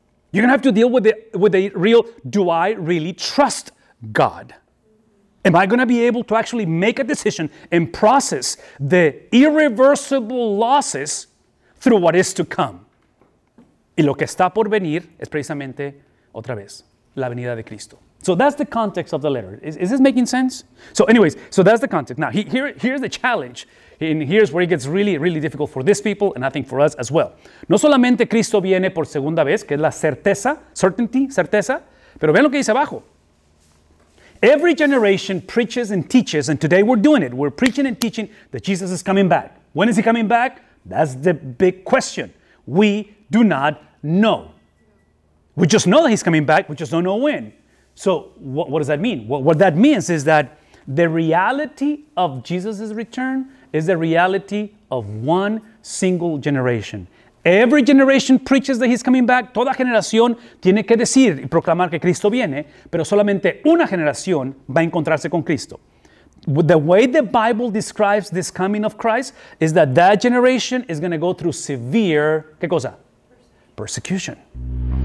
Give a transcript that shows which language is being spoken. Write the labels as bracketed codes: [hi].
[en] You're going to have to deal with the real, do I really trust God? Am I going to be able to actually make a decision and process the irreversible losses through what is to come? [es] Y lo que está por venir es precisamente, otra vez, la venida de Cristo. [en] So that's the context of the letter. Is this making sense? So that's the context. Now, here's the challenge. And here's where it gets really, really difficult for these people, and I think for us as well. [es] No solamente Cristo viene por segunda vez, que es la certeza, certainty, certeza, pero vean lo que dice abajo. [en] Every generation preaches and teaches, and today we're doing it. We're preaching and teaching that Jesus is coming back. When is he coming back? That's the big question. We do not know. We just know that he's coming back. We just don't know when. So what does that mean? What that means is that the reality of Jesus' return is the reality of one single generation. Every generation preaches that he's coming back. [es] Toda generación tiene que decir y proclamar que Cristo viene, pero solamente una generación va a encontrarse con Cristo. [en] The way the Bible describes this coming of Christ is that generation is going to go through severe, [es] ¿qué cosa? [en] Persecution.